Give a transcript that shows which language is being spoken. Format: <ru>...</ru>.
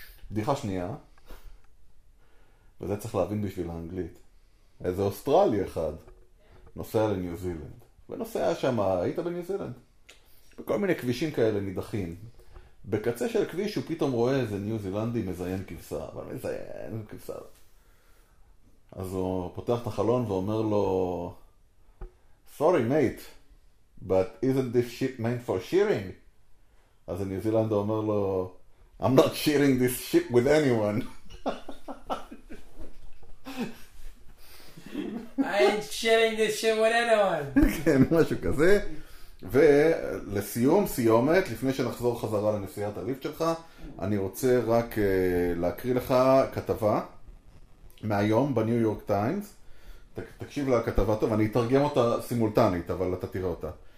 <he>בדיחה שנייה, וזה צריך להבין בשביל האנגלית, איזה אוסטרלי אחד נוסע לניו זילנד. ונוסע שם, היית בניו זילנד? בכל מיני כבישים כאלה נידחים. בקצה של כביש הוא פתאום רואה איזה ניו זילנדי מזיין כבשה. אבל מזיין כבשה. אז הוא פותח את החלון ואומר לו,</he> <en>Sorry mate, but isn't this ship meant for shearing?</en> <he>אז הניו זילנדי אומר לו,</he> <en>I'm not shearing this ship with anyone. I ain't sharing this shit with anyone.</en> <he>כן, משהו כזה. ולסיום, סיומת, לפני שנחזור חזרה לנסיעת הליפט שלך, אני רוצה רק להקריא לך כתבה מהיום בניו יורק טיימס. תקשיב לכתבה טוב, אני אתרגם אותה סימולטנית, אבל אתה תראה אותה.</he>